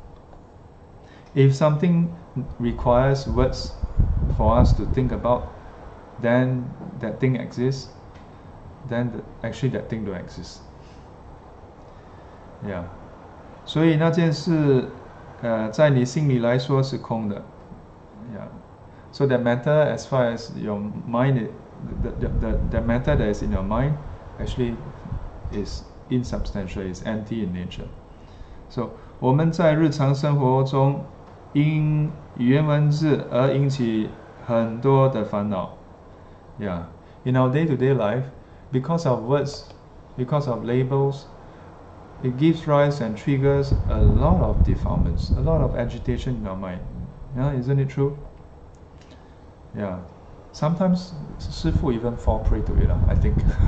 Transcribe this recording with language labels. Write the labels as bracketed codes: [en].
[en] So if something requires words for us to think about, then that thing exists, then actually that thing don't exist. Yeah. [zh] 所以那件事在你心里来说是空的。 Yeah. [en] So that matter, as far as your mind, the matter that is in your mind, actually is insubstantial, is empty in nature. [zh] So, 我们在日常生活中, 因语言文字而引起很多的烦恼。 Yeah. [en] In our day-to-day life, because of words, because of labels, it gives rise and triggers a lot of defilements, a lot of agitation in our mind. Yeah, isn't it true? Yeah, sometimes Sifu even fall prey to it, I think.